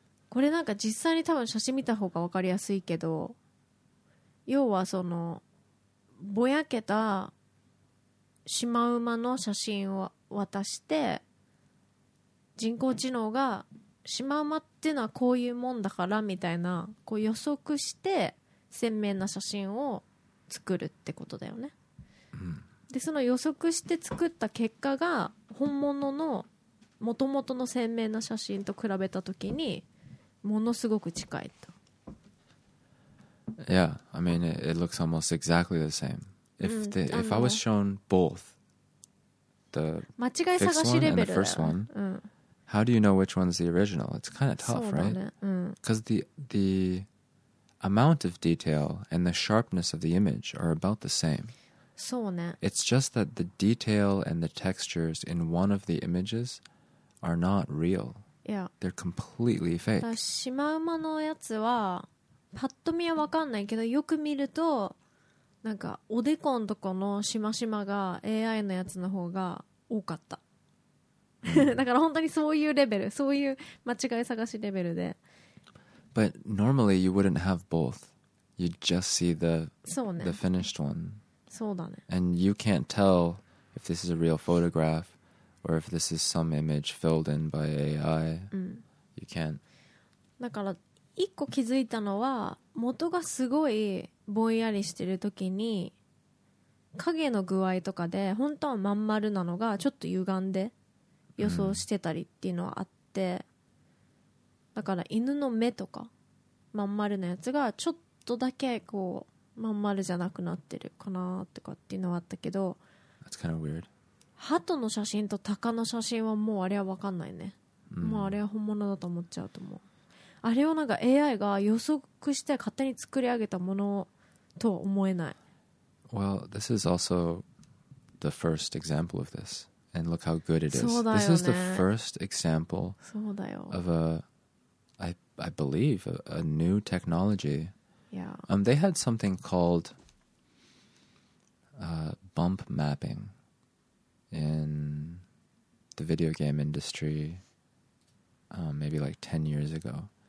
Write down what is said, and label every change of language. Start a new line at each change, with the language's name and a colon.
Japanese: これなんか実際に多分写真見た方が分かりやすいけど、要はそのぼやけたシマウマの写真を渡して、人工知能がシマウマっていうのはこういうもんだからみたいな、こう予測して鮮明な写真を作るってことだよね。でその予測して作った結果が本物の元々の鮮明な写真と比べた時にものすごく近いと。
English: Yeah, I mean it looks almost exactly the same. If the, if I was shown both, the
Japanese: 間違い探しレベルだよ。
English: How do you know which one's the original? It's kind of tough, right? Because the amount of detail and the sharpness of the image are about the same.
Japanese: そうね。
English: It's just that the detail and the textures in one of the images are not real. Yeah. They're completely fake.
Japanese: シマウマのやつはパッと見は分かんないけど、よく見るとなんかおでこんとこのシマシマが AI のやつの方が多かった。だから本当にそういうレベル、そういう間違い探しレベルで。
English: But normally you wouldn't have both. You just see the、
Japanese: ね、
English: the finished one.
Japanese: そうだね。
English: And you can't tell if this is a real photograph or if this is some image filled in by AI.、
Japanese: うん、
English: you can't.
Japanese: だから一個気づいたのは、元がすごいぼんやりしてる時に影の具合とかで本当はまん丸なのがちょっと歪んで予想してたりっていうのはあって、うん、だから犬の目とかまん丸のやつがちょっとだけこうまん丸じゃなくなってるかなとかっていうのはあったけど、
English: That's kind of weird.
Japanese: 鳩の写真と鷹の写真はもうあれは分かんないね、うん、もうあれは本物だと思っちゃうと思う。あれをなんか AI が予測して勝手に作り上げたものとは思えない。
English: Well, this is also the first example of thisAnd look how good it is.、
Japanese: ね、
English: This is the first example of a, I believe, a new technology. Yeah. They had something called bump mapping in the video game industry maybe like 10 years ago.